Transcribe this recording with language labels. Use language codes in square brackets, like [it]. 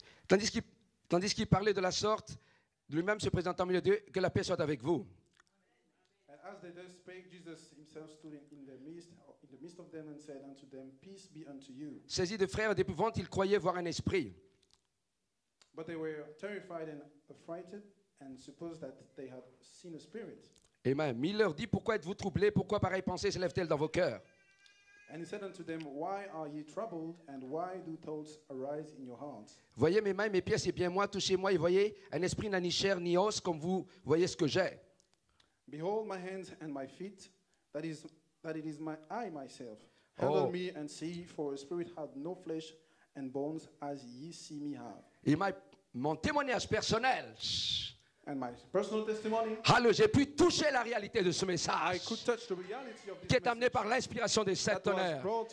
[fr] Tandis qu'il parlait de la sorte, lui-même se présentant au milieu de Dieu, que la paix soit avec vous. [en] As they thus spake, Jesus himself stood in the midst of them and said unto them, Peace be unto you. [fr] Saisis de frayeur et d'épouvante, ils croyaient voir un esprit. [en] But they were terrified and affrighted and supposed that they had seen a spirit. Amen. [fr] Mais il leur dit, pourquoi êtes-vous troublés? Pourquoi pareille pensée s'élève-t-elle dans vos cœurs? [en] And he said unto them, Why are ye troubled and why do thoughts arise in your hearts? [fr] Voyez mes mains, mes pieds, c'est bien moi, touchez-moi et voyez, un esprit n'a ni chair ni os comme vous voyez ce que j'ai. [en] Behold my hands and my feet, that it is I myself. Handle me and see, for a spirit hath no flesh and bones as ye see me have. [fr] Et mon témoignage personnel. [en] And my personal testimony. [fr] Hallelujah, j'ai pu toucher la réalité de ce message. [en] I could touch the reality of this [fr] qui est amené par l'inspiration des sept tonnerres.